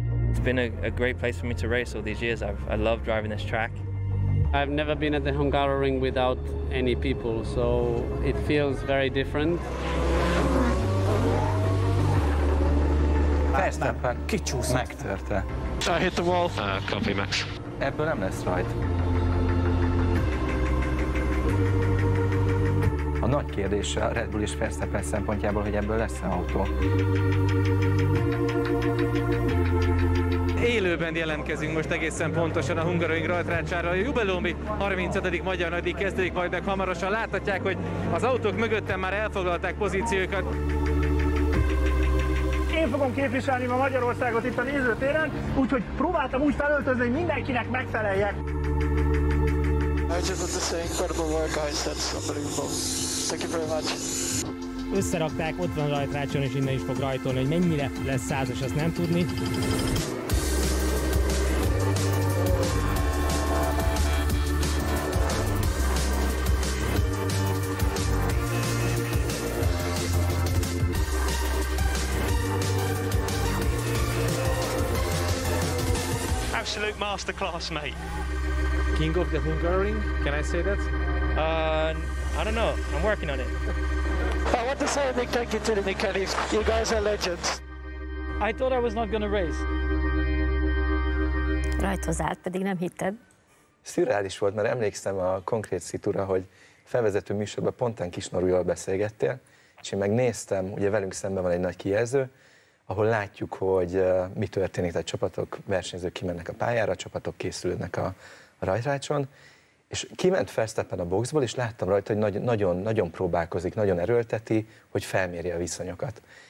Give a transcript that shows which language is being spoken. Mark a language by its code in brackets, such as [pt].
[en] It's been a great place for me to race all these years. I love driving this track. I've never been at the Hungaroring without any people, so it feels very different. [hu] Verstappen kicsúszott. Megtörte. [en] I hit the wall. Copy, Max. [hu] Ebből nem lesz rajt. A nagy kérdés a Red Bull és Verstappen szempontjából, hogy ebből lesz-e autó. Élőben jelentkezünk most egészen pontosan a Hungaroring rajtrácsára. A jubileumi 35. magyar nagydíj kezdődik majd meg hamarosan. Láthatják, hogy az autók mögöttem már elfoglalták pozíciókat. Én fogom képviselni ma Magyarországot itt a nézőtéren, úgyhogy próbáltam úgy felöltözni, hogy mindenkinek megfeleljek. [en] I just want to say incredible work, guys. That's unbelievable. Thank you very much. [hu] Összerakták, ott van rajtrácson, és innen is fog rajtolni, hogy mennyire lesz százas, azt nem tudni. [en] Absolute masterclass, mate. King of the Hungaroring, can I say that? I don't know, I'm working on it. I want to say a big thank you to the mechanics, you guys are legends. I thought I was not gonna race. [hu] Rajthoz állt, pedig nem hitted. Szürreális volt, mert emlékszem a konkrét szitúra, hogy felvezető műsorban pontán Kis Norival beszélgettél, és én megnéztem, ugye velünk szemben van egy nagy kijelző, ahol látjuk, hogy mi történik, tehát csapatok, versenyzők kimennek a pályára, csapatok készülnek a rajtrácson, és kiment Verstappen a boxból, és láttam rajta, hogy nagyon próbálkozik, nagyon erőlteti, hogy felmérje a viszonyokat.